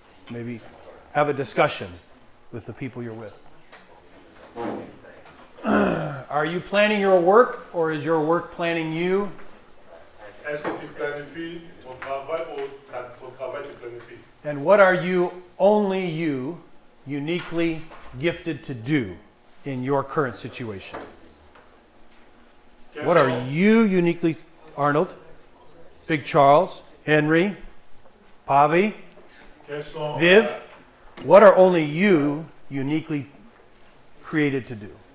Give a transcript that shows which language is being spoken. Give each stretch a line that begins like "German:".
English: Maybe have a discussion with the people you're with. Are you planning your work, or is your work planning you?
French: Est-ce que tu planifies ton travail ou ton travail te planifie?
English: And what are you, only you, uniquely gifted to do in your current situation? What are you uniquely, Arnold, Big Charles, Henry, Pavi, Viv, what are only you uniquely created to do?